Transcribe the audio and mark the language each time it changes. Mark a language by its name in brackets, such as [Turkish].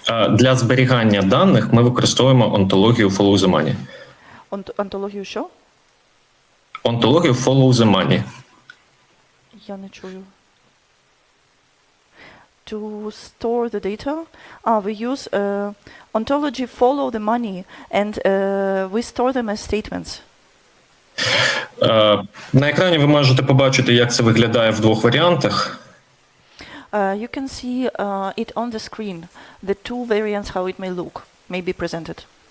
[Ukrainian] Для зберігання даних ми використовуємо онтологію Follow the Money. Онтологію що? Онтологію Follow the Money. Я не чую. [English] To store the data, we use ontology follow the money, and we store them as statements. [Ukrainian] На екрані ви можете побачити, як це виглядає в двох варіантах. [English] You can see it on the screen, the two variants, how it may look, may be presented.